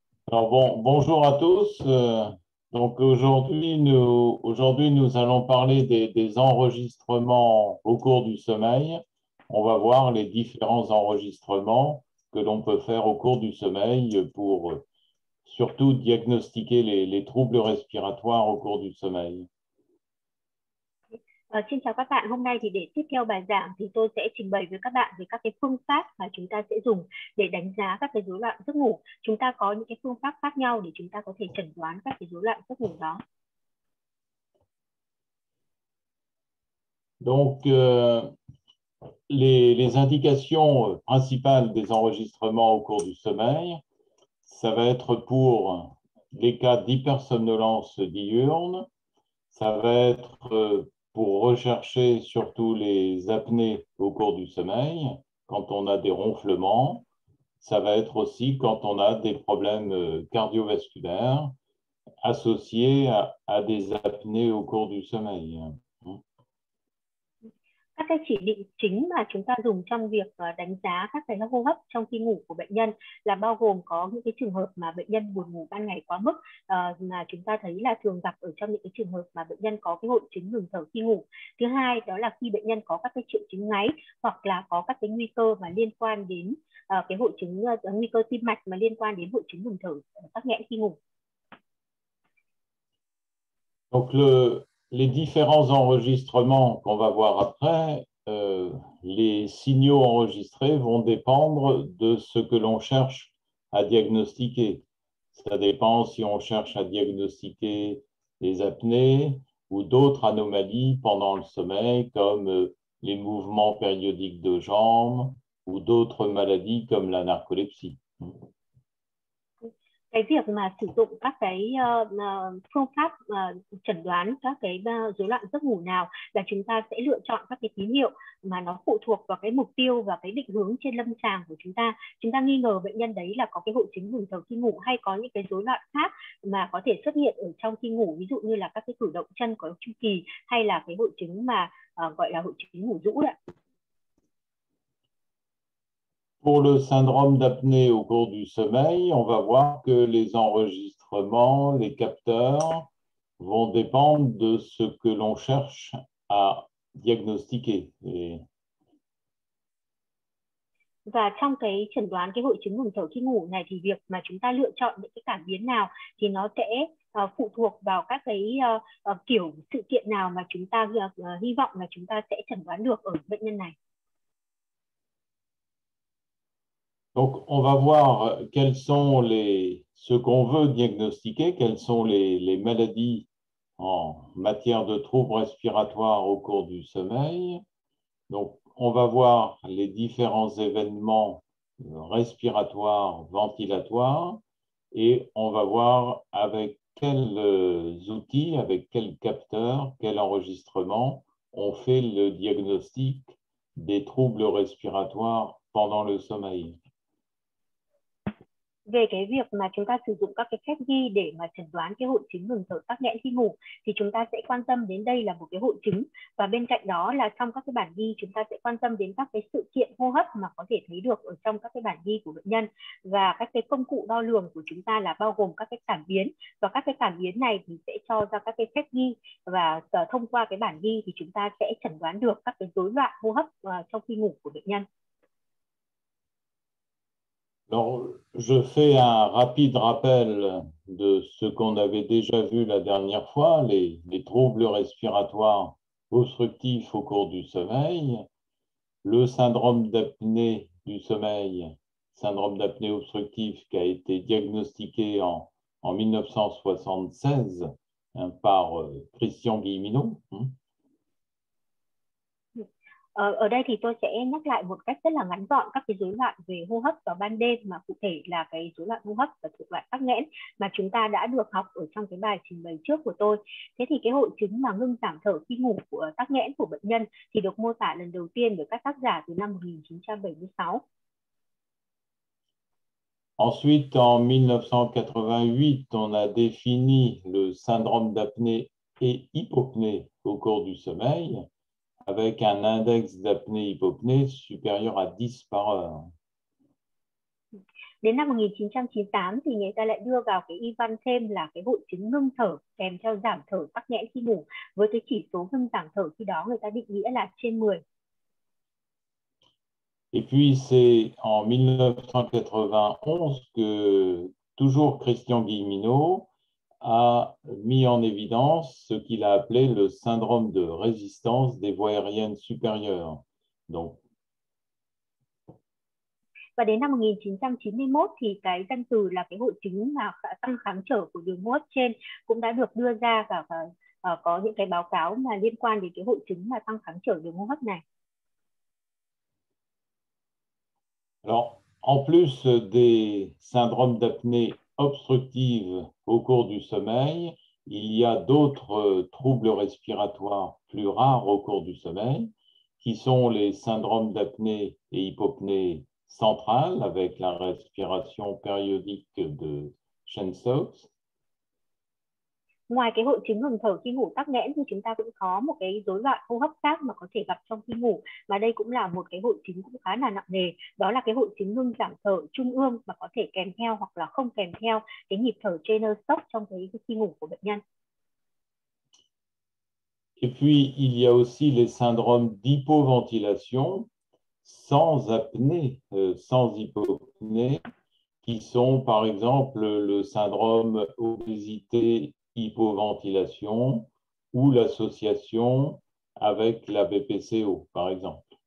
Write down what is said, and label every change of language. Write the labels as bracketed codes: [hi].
[fr] Alors bon, bonjour à tous. Donc aujourd'hui, nous allons parler des enregistrements au cours du sommeil. on va voir les différents enregistrements que l'on peut faire au cours du sommeil pour surtout diagnostiquer les troubles respiratoires au cours du sommeil. [vi] Xin chào các bạn. Hôm nay thì để tiếp theo bài giảng thì tôi sẽ trình bày với các bạn về các cái phương pháp mà chúng ta sẽ dùng để đánh giá các cái rối loạn giấc ngủ. Chúng ta có những cái phương pháp khác nhau để chúng ta có thể chẩn đoán các cái rối loạn giấc ngủ đó. [fr] Donc les indications principales des enregistrements au cours du sommeil, ça va être pour les cas d'hypersomnolence diurne, ça va être pour rechercher surtout les apnées au cours du sommeil, quand on a des ronflements, ça va être aussi quand on a des problèmes cardiovasculaires associés à des apnées au cours du sommeil. [vi] Các cái chỉ định chính mà chúng ta dùng trong việc đánh giá các cái hô hấp trong khi ngủ của bệnh nhân là bao gồm có những cái trường hợp mà bệnh nhân buồn ngủ ban ngày quá mức mà chúng ta thấy là thường gặp ở trong những cái trường hợp mà bệnh nhân có cái hội chứng ngừng thở khi ngủ. Thứ hai đó là khi bệnh nhân có các cái triệu chứng ngáy hoặc là có các cái nguy cơ mà liên quan đến cái hội chứng nguy cơ tim mạch mà liên quan đến hội chứng ngừng thở tắc nghẽn khi ngủ. [fr] Donc les différents enregistrements qu'on va voir après, les signaux enregistrés vont dépendre de ce que l'on cherche à diagnostiquer. Ça dépend si on cherche à diagnostiquer les apnées ou d'autres anomalies pendant le sommeil, comme les mouvements périodiques de jambes ou d'autres maladies comme la narcolepsie. [vi] Cái việc mà sử dụng các cái phương pháp chẩn đoán các cái rối loạn giấc ngủ nào là chúng ta sẽ lựa chọn các cái tín hiệu mà nó phụ thuộc vào cái mục tiêu và cái định hướng trên lâm sàng của chúng ta. Chúng ta nghi ngờ bệnh nhân đấy là có cái hội chứng ngừng thở khi ngủ hay có những cái rối loạn khác mà có thể xuất hiện ở trong khi ngủ, ví dụ như là các cái cử động chân có chu kỳ hay là cái hội chứng mà gọi là hội chứng ngủ rũ ạ. [fr] Pour le syndrome d'apnée au cours du sommeil, on va voir que les enregistrements, les capteurs vont dépendre de ce que l'on cherche à diagnostiquer. Et... [vi] Và trong cái chẩn đoán cái hội chứng ngừng thở khi ngủ này thì việc mà chúng ta lựa chọn những cái cảm biến nào thì nó sẽ phụ thuộc vào các cái kiểu sự kiện nào mà chúng ta hy vọng là chúng ta sẽ chẩn đoán được ở bệnh nhân này. [fr] Donc, on va voir quels sont ce qu'on veut diagnostiquer, quelles sont les maladies en matière de troubles respiratoires au cours du sommeil. Donc, on va voir les différents événements respiratoires, ventilatoires, et on va voir avec quels outils, avec quels capteurs, quels enregistrements on fait le diagnostic des troubles respiratoires pendant le sommeil. [vi] Về cái việc mà chúng ta sử dụng các cái phép ghi để mà chẩn đoán cái hội chứng ngừng thở tắc nghẽn khi ngủ thì chúng ta sẽ quan tâm đến đây là một cái hội chứng, và bên cạnh đó là trong các cái bản ghi chúng ta sẽ quan tâm đến các cái sự kiện hô hấp mà có thể thấy được ở trong các cái bản ghi của bệnh nhân, và các cái công cụ đo lường của chúng ta là bao gồm các cái cảm biến, và các cái cảm biến này thì sẽ cho ra các cái phép ghi, và thông qua cái bản ghi thì chúng ta sẽ chẩn đoán được các cái rối loạn hô hấp trong khi ngủ của bệnh nhân. [fr] Alors, je fais un rapide rappel de ce qu'on avait déjà vu la dernière fois, les troubles respiratoires obstructifs au cours du sommeil, le syndrome d'apnée du sommeil, syndrome d'apnée obstructif qui a été diagnostiqué en 1976 hein, par Christian Guilleminot. [vi] Ở đây thì tôi sẽ nhắc lại một cách rất là ngắn gọn các cái rối loạn về hô hấp vào ban đêm, mà cụ thể là cái rối loạn hô hấp và thuộc loại tắc nghẽn mà chúng ta đã được học ở trong cái bài trình bày trước của tôi. Thế thì cái hội chứng mà ngưng giảm thở khi ngủ của tắc nghẽn của bệnh nhân thì được mô tả lần đầu tiên bởi các tác giả từ năm 1976. [fr] Ensuite, en 1988, on a défini le syndrome d'apnée et hypopnée au cours du sommeil, avec un index d'apnée-hypopnée supérieur à 10 par heure. [vi] Đến năm 1998 thì người ta lại đưa vào cái y văn thêm là cái hội chứng ngưng thở kèm theo giảm thở tắc nghẽn khi ngủ, với cái chỉ số ngưng giảm thở khi đó người ta định nghĩa là trên 10. [fr] Et puis, c'est en 1991 que toujours Christian Guilleminault a mis en évidence ce qu'il a appelé le syndrome de résistance des voies aériennes supérieures. Donc, [vi] và đến năm 1991 thì cái danh từ là cái hội chứng mà tăng kháng trở của đường hô hấp trên cũng đã được đưa ra và có những cái báo cáo mà liên quan đến cái hội chứng mà tăng kháng trở đường hô hấp này. [fr] Alors, en plus des syndromes d'apnée obstructive au cours du sommeil, il y a d'autres troubles respiratoires plus rares au cours du sommeil, qui sont les syndromes d'apnée et hypopnée centrale avec la respiration périodique de Chenstokes. [vi] Ngoài cái hội chứng ngừng thở khi ngủ tắc nghẽn thì chúng ta cũng có một cái rối loạn hô hấp khác mà có thể gặp trong khi ngủ, mà đây cũng là một cái hội chứng cũng khá là nặng nề, đó là cái hội chứng ngưng giảm thở trung ương mà có thể kèm theo hoặc là không kèm theo cái nhịp thở Chenstokes trong cái khi ngủ của bệnh nhân. [fr] Et puis il y a aussi les syndromes d'hypoventilation sans apnée, sans hypopnée, qui sont par exemple le syndrome obésité-hypoventilation ou l'association avec la BPCO, par exemple.